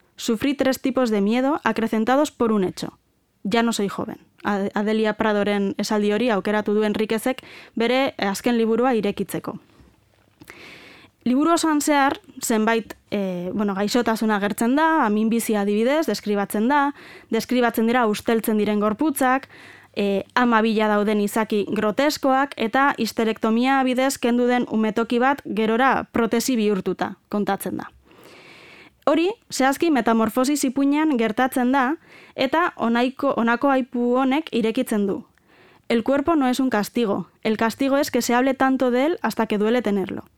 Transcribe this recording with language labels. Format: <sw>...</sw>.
<es>Sufrí tres tipos de miedo acrecentados por un hecho. Ya no soy joven.</es> <eu>Adelia Pradoren esaldi hori aukeratu duen Enriquezek bere azken liburua irekitzeko. Liburu osoan zehar, zenbait gaixotasun agertzen da, minbizia adibidez, deskribatzen da, deskribatzen dira usteltzen diren gorputzak, ama bila dauden izaki groteskoak eta histerektomia bidez kendu den umetoki bat gerora protesi bihurtuta kontatzen da. Hori, zehazki metamorfosi zipuinean gertatzen da eta honako aipu honek irekitzen du.</eu> <es>El cuerpo no es un castigo, el castigo es que se hable tanto de él hasta que duele tenerlo.</es>